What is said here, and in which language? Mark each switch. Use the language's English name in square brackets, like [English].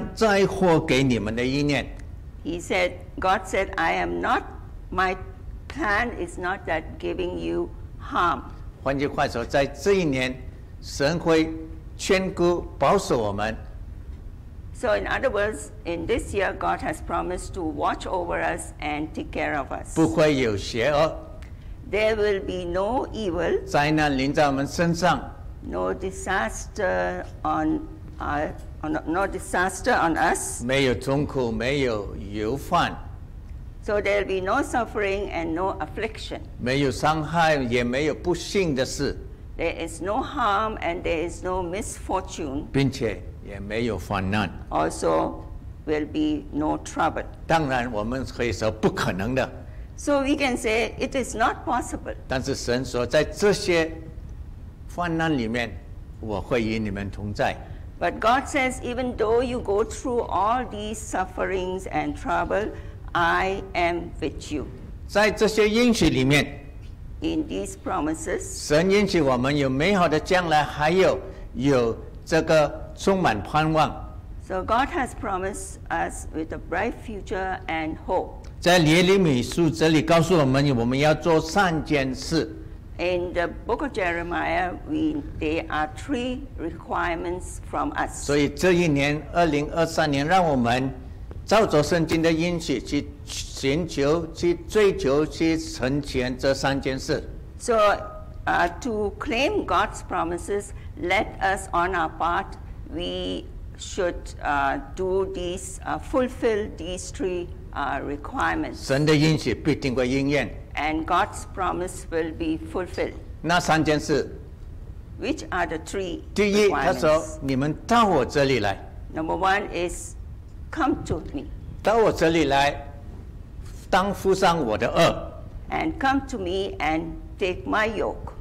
[Chinese] 神也说我不是将灾祸给你们的意念。 [English] He said, God said, I am not, my plan is not that giving you harm. [Chinese] 换句话说, 在这一年, 神会眷顾, 保守我们。 [English] So in other words, in this year, God has promised to watch over us and take care of us. [Chinese] 不会有邪恶, [English] there will be no evil, [Chinese] 灾难临在我们身上, [English] no disaster on us. [Chinese] 没有痛苦, 没有忧患, [English] so there will be no suffering and no affliction. [Chinese] 没有伤害, 也没有不幸的事, [English] there is no harm and there is no misfortune. [Chinese] 并且也没有患难, [English] also will be no trouble. [Chinese] 当然我们可以说不可能的, [English] so we can say it is not possible. [Chinese] 但是神说在这些患难里面, 我会与你们同在。 [English] But God says, even though you go through all these sufferings and trouble, I am with you. [Chinese] 在这些应许里面, [English] in these promises, [Chinese] 神应许我们有美好的将来, 还有这个充满盼望。 [English] So God has promised us with a bright future and hope. [Chinese] 在耶利米书这里告诉我们, 我们要做三件事。 [English] In the book of Jeremiah, there are three requirements from us. [Chinese] 所以这一年, 2023年, 让我们照着圣经的应许去寻求, 去追求, 去成全这三件事。 [English] So, to claim God's promises, let us on our part, we should fulfill these three requirements. [Chinese] 神的应许必定会应验。 [English] And God's promise will be fulfilled. [Chinese] 那三件事, [English] which are the three? [Chinese] 第一, 他说, 你们到我这里来, [English] number one is come to me. [Chinese] 到我这里来, 当付上我的轭, [English] and come to me and take my yoke.